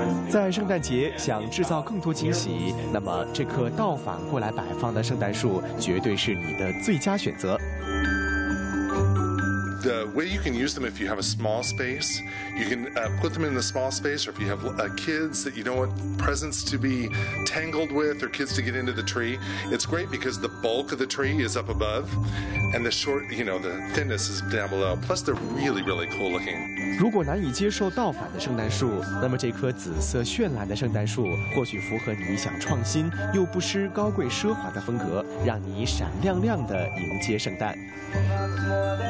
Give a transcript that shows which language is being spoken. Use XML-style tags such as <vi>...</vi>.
<zh>在圣诞节想制造更多惊喜，那么这棵倒反过来摆放的圣诞树绝对是你的最佳选择。</zh> <en>The way you can use them, if you have a small space, you can put them in the small space, or if you have kids that you don't want presents to be tangled with or kids to get into the tree, it's great because the bulk of the tree is up above, and the short, you know, the thinness is down below. Plus, they're really, really cool looking.</en> <zh>如果难以接受倒反的圣诞树，那么这棵紫色绚烂的圣诞树或许符合你想创新又不失高贵奢华的风格，让你闪亮亮地迎接圣诞。</zh>